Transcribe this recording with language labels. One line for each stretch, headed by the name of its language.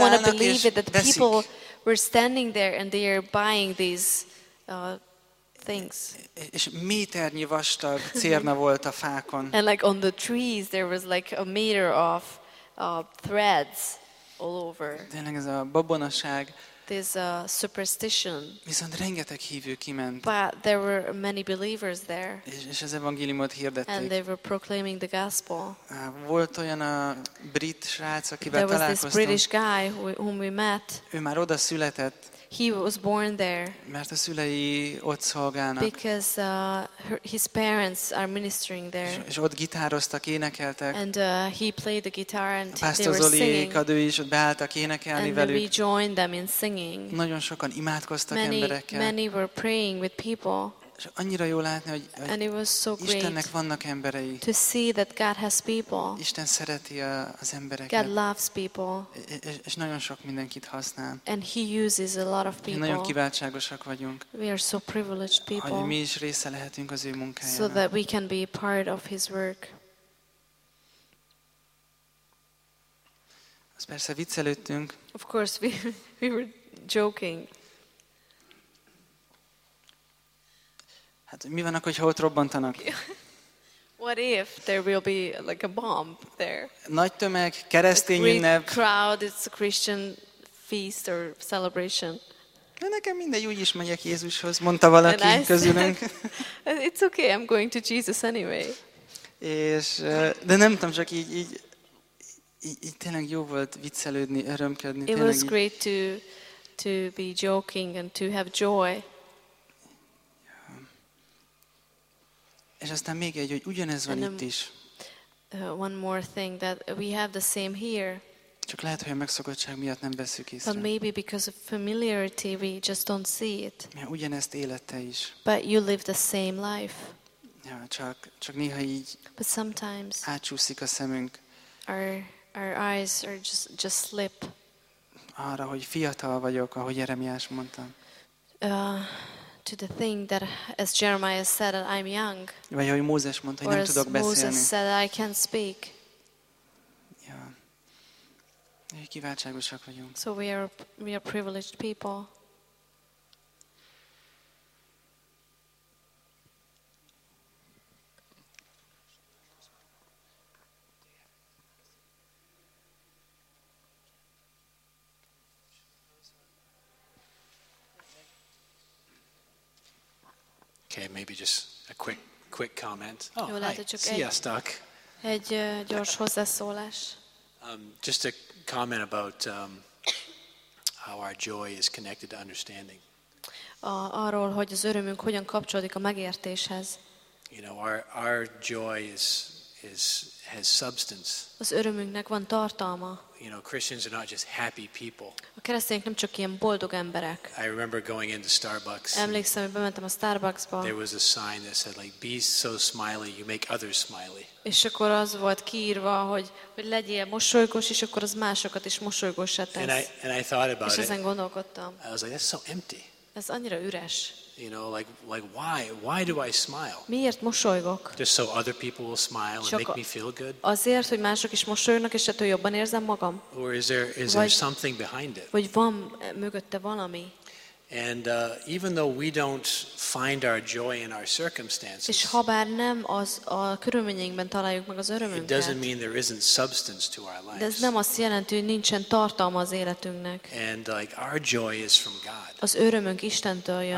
English: I didn't want to believe it that people were standing there and they are buying these things.
Hungarian: És méternyi vastag cérna volt a fákon.
English: And like on the trees there was like a meter of threads all over.
Hungarian: Tényleg ez a babonaság.
English: This superstition.
Hungarian: Viszont rengeteg hívő kiment.
English: But there were many believers there.
Hungarian: És az evangéliumot hirdették.
English: And they were proclaiming the gospel.
Hungarian: Volt olyan a brit srác, akivel találkoztam.
English: There was this British guy whom we met.
Hungarian: Ő már oda született.
English: He was born there.
Hungarian: Mert a szülei ott szolgálnak.
English: Because his parents are ministering there.
Hungarian: És ott gitároztak, énekeltek.
English: And he played the guitar and they were singing.
Hungarian: Pásztor Zoli is ott beálltak énekelni
English: and
Hungarian: velük.
English: And we joined them in singing.
Hungarian: Nagyon sokan imádkoztak
English: many,
Hungarian: emberekkel.
English: Many were praying with people.
Hungarian: És annyira jó látni, hogy Istennek vannak emberei.
English: To see that God has people.
Hungarian: Isten szereti az embereket.
English: God loves people.
Hungarian: És nagyon sok mindenkit használ.
English: And he uses a lot of people.
Hungarian: Nagyon kiváltságosak vagyunk.
English: We are so privileged people.
Hungarian: Hogy mi is része lehetünk az ő munkájának.
English: So that we can be part of his work.
Hungarian: Azt persze viccelődtünk.
English: Of course we were joking.
Hungarian: Hát mi van akkor, hogyha ott robbantanak?
English: What if there will be like a bomb there?
Hungarian: Nagy tömeg, keresztény ünnep.
English: Great crowd, it's a Christian feast or celebration.
Hungarian: De nekem mindegy, úgy is megyek Jézushoz, mondta valaki közülünk.
English: It's okay, I'm going to Jesus anyway.
Hungarian: És de nem tudom, csak így tényleg jó volt viccelődni, örömködni.
English: It was great to be joking and to have joy.
Hungarian: És aztán még egy, hogy ugyanez van itt is.
English: One more thing that we have the same here.
Hungarian: Csak lehet, hogy a megszokottság miatt nem veszük észre.
English: But maybe because of familiarity we just don't see it.
Hungarian: Ja, ugyanezt élete is.
English: But you live the same life.
Hungarian: Ja, csak néha így.
English: But sometimes.
Hungarian: Átcsúszik a szemünk.
English: Our eyes are just slip.
Hungarian: Arra, hogy fiatal vagyok, ahogy Jeremiás mondta.
English: To the thing that, as Jeremiah said, that I'm young.
Hungarian: Vagy ahogy Mózes mondta, hogy
English: or
Hungarian: nem tudok beszélni.
English: Moses said I can't speak. Ja.
Hungarian: Kiváltságosak vagyunk.
English: So we are privileged people. Okay, maybe just a quick comment. Oh, hi.
Hungarian: Sziasztok. Egy gyors hozzászólás.
English: Just a comment about how our joy is connected to understanding.
Hungarian: Arról, hogy az örömünk hogyan kapcsolódik a megértéshez.
English: You know, our joy is has substance.
Hungarian: Az örömünknek van tartalma.
English: You know, Christians are not just happy people.
Hungarian: A keresztények nem csak ilyen boldog emberek.
English: I remember going into Starbucks.
Hungarian: Emlékszem, hogy bementem a Starbucksba.
English: There was a sign that said like, "Be so smiley, you make others smiley."
Hungarian: És akkor az volt kiírva, hogy legyél mosolygós, és akkor az másokat is mosolygóssá tesz.
English: And I thought about
Hungarian: it. És ezen gondolkodtam.
English: I was like, "That's so empty."
Hungarian: Ez annyira üres.
English: You know, like why do I smile?
Hungarian: Miért mosolygok?
English: Just so other people will smile and make me feel good.
Hungarian: Azért, hogy mások is mosolyognak, és ettől jobban érzem magam.
English: Or is there something behind it?
Hungarian: Vagy van mögötte valami?
English: And even though we don't find our joy in our circumstances,
Hungarian: és ha bár nem az a körülményeinkben találjuk meg az örömünket,
English: it doesn't mean there isn't substance to our lives.
Hungarian: De ez nem azt jelenti, hogy nincsen tartalma az életünknek.
English: And like our joy is from God.
Hungarian: Az örömünk Istentől jön.